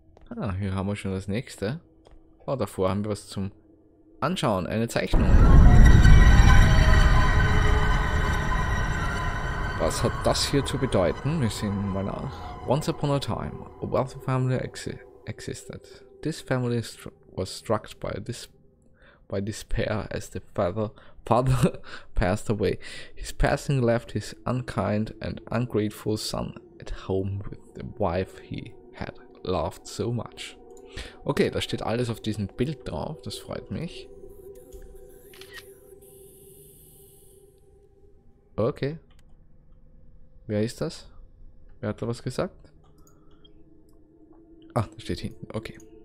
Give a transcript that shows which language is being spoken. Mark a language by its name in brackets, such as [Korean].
[German] Ah, hier haben wir schon das nächste. Oh, davor haben wir was zum Anschauen, eine Zeichnung. Was hat das hier zu bedeuten? Wir sehen mal nach. [English] Once upon a time, a wealthy family existed. This family was struck by this by despair as the father passed away. His passing left his unkind and ungrateful son at home with the wife he had loved so much. [German] Okay, da steht alles auf diesem Bild drauf, das freut mich. Okay. Wer ist das? Wer hat da was gesagt? Ah, da steht hinten. Okay.